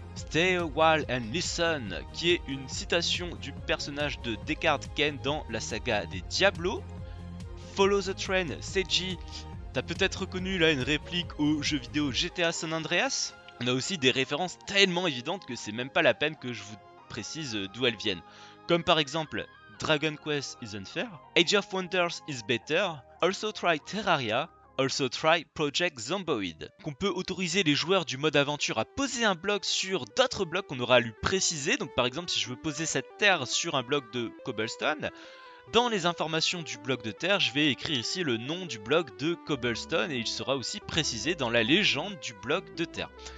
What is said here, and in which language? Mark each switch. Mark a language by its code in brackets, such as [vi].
[en] Stay a while and listen, [fr] qui est une citation du personnage de Deckard Cain dans la saga des Diablos. [en] Follow the train, Seiji. [fr] T'as peut-être reconnu là une réplique au jeu vidéo GTA San Andreas. On a aussi des références tellement évidentes que c'est même pas la peine que je vous précise d'où elles viennent. Comme par exemple [en] Dragon Quest is unfair, Age of Wonders is better, also try Terraria, also try Project Zomboid. [fr] Qu'on peut autoriser les joueurs du mode aventure à poser un bloc sur d'autres blocs qu'on aura à lui préciser. Donc par exemple, si je veux poser cette terre sur un bloc de cobblestone, dans les informations du bloc de terre, je vais écrire ici le nom du bloc de cobblestone et il sera aussi précisé dans la légende du bloc de terre.